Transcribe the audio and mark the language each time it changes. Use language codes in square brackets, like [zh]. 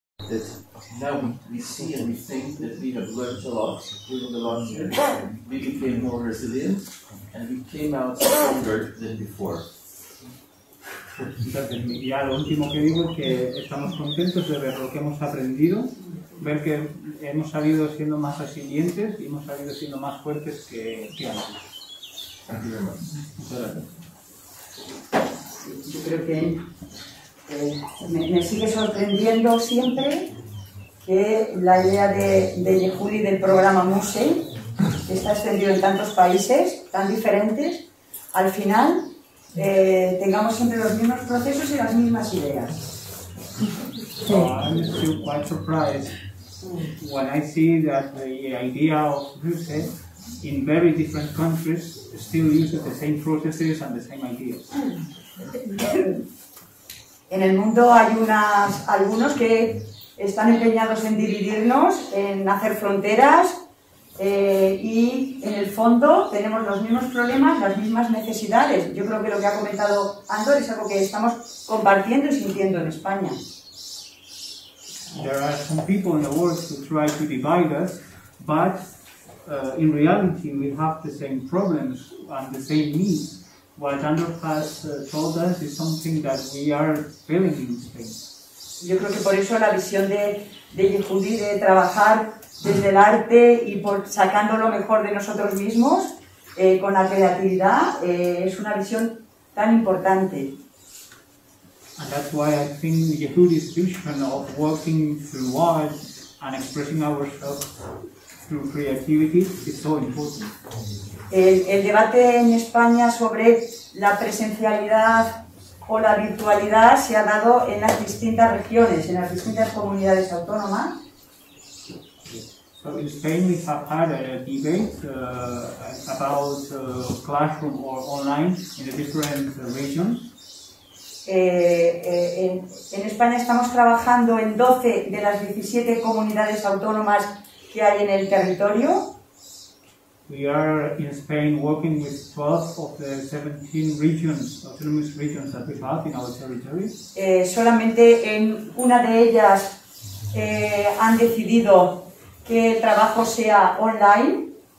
[en] that now we see and we think that we have learned a lot during the last year. We became more resilient and we came out stronger than before. [es] Ya lo último que digo es que estamos contentos de ver lo que hemos aprendido, ver que hemos salido siendo más resilientes y hemos salido siendo más fuertes que antes. Gracias. Yo creo que me sigue sorprendiendo siempre que la idea de Yehudi del programa Muse, que está extendido en tantos países tan diferentes, al final tengamos siempre los mismos procesos y las mismas ideas. [en] Sí. Oh, I'm still quite surprised. When I see that the idea of Muse in very different countries still uses the same processes and the same ideas. [es] En el mundo hay algunos que están empeñados en dividirnos, en hacer fronteras, y en el fondo tenemos los mismos problemas, las mismas necesidades. Yo creo que lo que ha comentado Andor es algo que estamos compartiendo y sintiendo en España. [en] There are some people in the world who try to divide us, but in reality we have the same problems and the same needs. What Andor has told us is something that we are feeling in Spain. [es] Yo creo que por eso la visión de Yehudi de trabajar desde el arte y por sacando lo mejor de nosotros mismos con la creatividad es una visión tan importante. [en] And that's why I think Yehudi's vision of working through art and expressing ourselves through creativity is so important. [es] El debate en España sobre la presencialidad o la virtualidad se ha dado en las distintas regiones, en las distintas comunidades autónomas. [en] So in Spain we have had a debate about classroom or online in the different regions. [es] En España estamos trabajando en 12 de las 17 comunidades autónomas que hay en el territorio. [en] We are in Spain working with 12 of the 17 regions, autonomous regions that we have in our territory. [es] Solamente en una de ellas han decidido que el trabajo sea online.